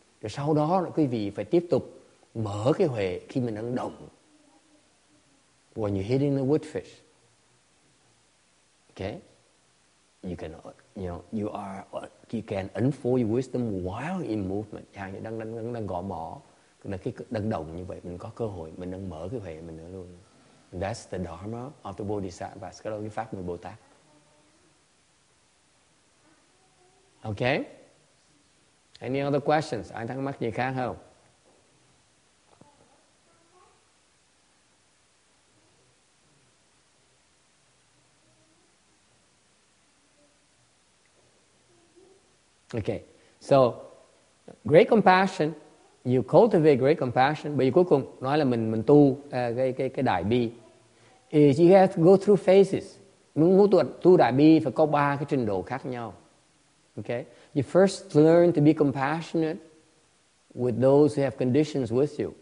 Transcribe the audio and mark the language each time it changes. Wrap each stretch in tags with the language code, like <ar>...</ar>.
<vi>Rồi sau đó quý vị phải tiếp tục mở cái huệ khi mình đang động.</vi> <en>When you're hitting the woodfish. Okay? You can, you know, you can unfold your wisdom while in movement.</en> <vi>Chẳng như đang gõ mỏ, đang động như vậy, mình có cơ hội, mình đang mở cái huệ mình nữa luôn.</vi> <en>And that's the dharma of the Bodhisattva.</en> <vi>Cái đó là cái pháp người Bồ Tát. Okay?</vi> <en>Any other questions?</en> <vi>Ai thắc mắc gì khác không?</vi> <en>Okay, so great compassion, you cultivate great compassion, but</en> <vi>cuối cùng nói là mình tu cái đại bi.</vi> <en>Is you have to go through phases.</en> <vi>Muốn tu đại bi phải có ba cái trình độ khác nhau.</vi> <en>Okay, you first learn to be compassionate with those who have conditions with you.</en>